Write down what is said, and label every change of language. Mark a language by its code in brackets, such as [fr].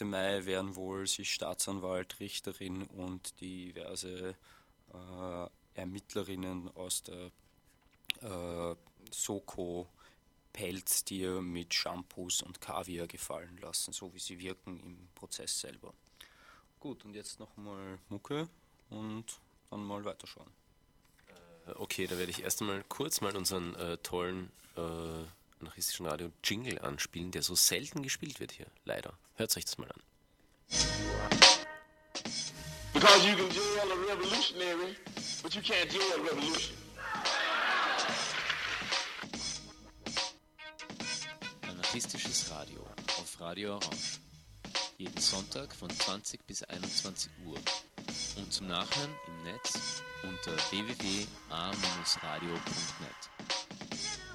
[de] Mai werden wohl sich Staatsanwalt, Richterin und diverse Ermittlerinnen aus der Soko Pelz dir mit Shampoos und Kaviar gefallen lassen, so wie sie wirken im Prozess selber. Gut, und jetzt nochmal Mucke und dann mal weiterschauen. Okay, da werde ich erst einmal kurz mal unseren tollen anarchistischen Radio-Jingle anspielen, der so selten gespielt wird hier, leider. Hört euch das mal an. [en] Because you can jail a revolutionary, but you can't jail a revolution. [de] Anarchistisches Radio auf Radio Orange. Jeden Sonntag von 20 bis 21 Uhr. Und zum Nachhören im Netz unter www.a-radio.net.